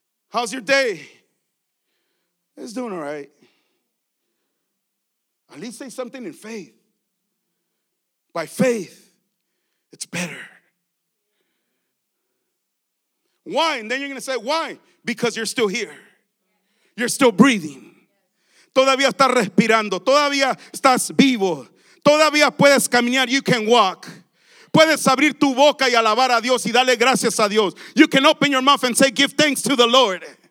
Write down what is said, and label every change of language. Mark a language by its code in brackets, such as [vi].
[en] How's your day? It's doing all right. At least say something in faith. By faith, it's better. Why? And then you're going to say, why? Because you're still here. You're still breathing. [es] Todavía estás respirando. Todavía estás vivo. Todavía puedes caminar. [en] You can walk. [es] Puedes abrir tu boca y alabar a Dios y darle gracias a Dios. [en] You can open your mouth and say, give thanks to the Lord.